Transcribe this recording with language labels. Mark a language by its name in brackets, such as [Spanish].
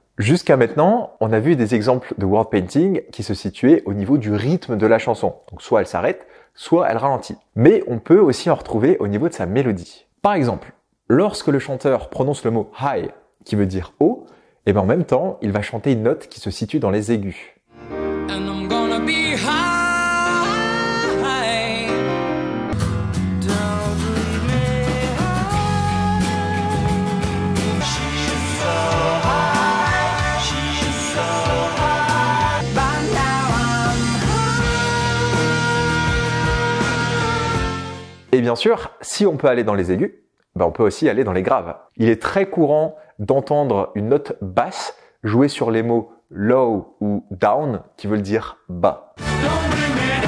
[French] Jusqu'à maintenant, on a vu des exemples de word painting qui se situaient au niveau du rythme de la chanson. Donc soit elle s'arrête, soit elle ralentit. Mais on peut aussi en retrouver au niveau de sa mélodie. Par exemple, lorsque le chanteur prononce le mot « high », qui veut dire « haut », et bien en même temps, il va chanter une note qui se situe dans les aigus. [English] And I'm gonna be high, high. Don't leave me high. She's so high, she's so high. By now I'm high. [French] Et bien sûr, si on peut aller dans les aigus, ben on peut aussi aller dans les graves. Il est très courant d'entendre une note basse jouer sur les mots « low » ou « down » qui veulent dire « bas ».